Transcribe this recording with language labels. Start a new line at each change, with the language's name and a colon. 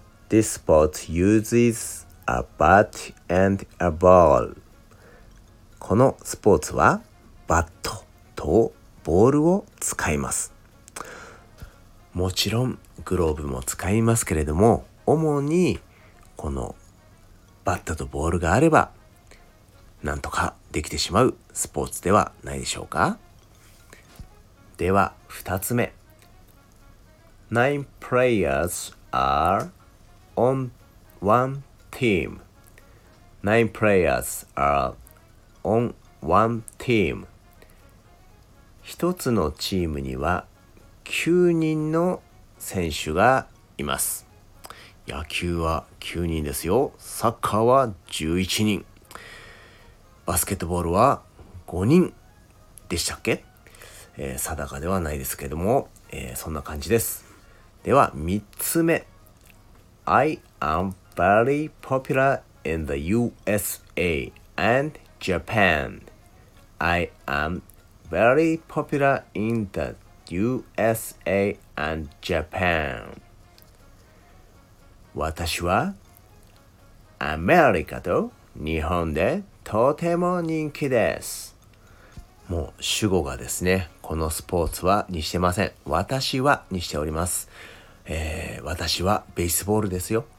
English: This sport uses a bat and a ball.
Japanese: このスポーツはバットとボールを使います。もちろんグローブも使いますけれども、主にこのバットとボールがあればなんとかできてしまうスポーツではないでしょうか。では2つ目、
English: 9 players are on one team. 9 players are on one team.
Japanese: 一つのチームには9人の選手がいます。野球は9人ですよ。サッカーは11人、バスケットボールは5人でしたっけ、定かではないですけども、そんな感じです。では3つ目、
English: I am very popular in the USA and Japan. I am very popular in the USA and Japan.
Japanese: 私はアメリカと日本でとても人気です。もう主語がですね、このスポーツはにしてません。私はにしております。私はベースボールですよ。